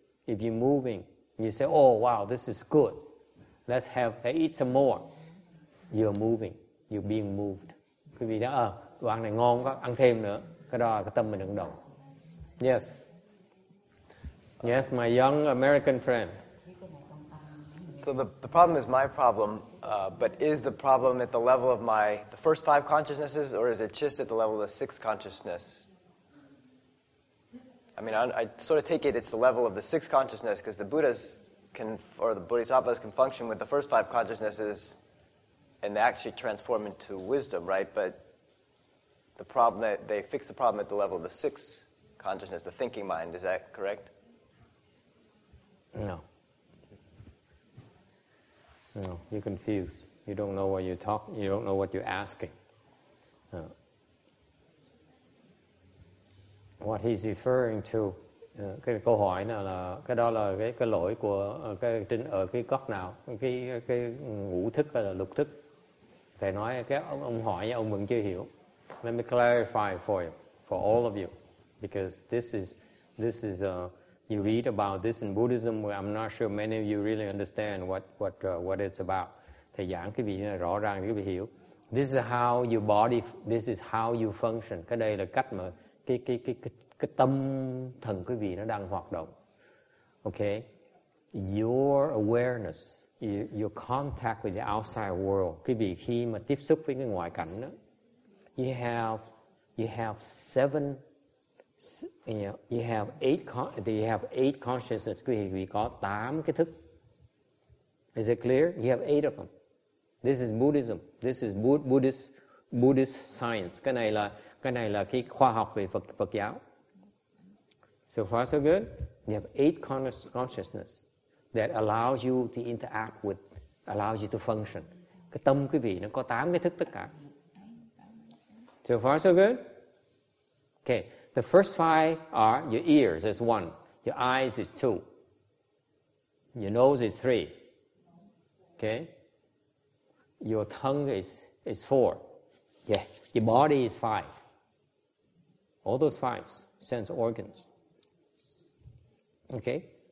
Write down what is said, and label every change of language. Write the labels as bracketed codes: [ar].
[en] If you're moving, you say, oh, wow, this is good. Let's have, let's eat some more. You're moving. You're being moved. [vi] Quý vị đã, đồ ăn này ngon quá, ăn thêm nữa. Cái đó là cái tâm mình đang động. [en] Yes. Yes, my young American friend. So the problem is my problem, but is the problem at the level of the first five consciousnesses, or is it just at the level of the sixth consciousness? I mean, I sort of take it's the level of the sixth consciousness, because the Buddhas can, or the Bodhisattvas can function with the first five consciousnesses, and they actually transform into wisdom, right? But the problem, that they fix the problem at the level of the sixth consciousness, the thinking mind, is that correct? No. No, you're confused. You don't know what you're talking, you don't know what you're asking. What he's referring to, [vi] cái câu hỏi nào là cái đó là cái lỗi của cái trên ở cái góc nào, cái ngũ thức hay là lục thức. Thầy nói cái ông hỏi ông vẫn chưa hiểu. [en] Let me clarify for you, for all of you, because this is you read about this in Buddhism. I'm not sure many of you really understand what it's about. [vi] Thầy giảng cái vị này rõ ràng cái vị hiểu. [en] This is how your body, this is how you function. [vi] Cái đây là cách mà cái tâm thần quý vị nó đang hoạt động. [en] Okay, your awareness, your contact with the outside world, [vi] quý vị khi mà tiếp xúc với cái ngoại cảnh đó, [en] you have eight consciousness. [vi] Quý vị có 8 cái thức. [en] Is it clear? You have 8 of them. This is Buddhism. This is Buddhist science. [vi] Cái này là cái khoa học về Phật giáo. [en] So far so good. You have 8 consciousness that allows you to interact with, allows you to function. [vi] Cái tâm quý vị nó có 8 cái thức tất cả. [en] So far so good. Okay, the first 5 are your ears is 1, your eyes is 2, your nose is 3. Okay, your tongue is 4. Yeah, your body is 5. All those 5 sense organs, okay?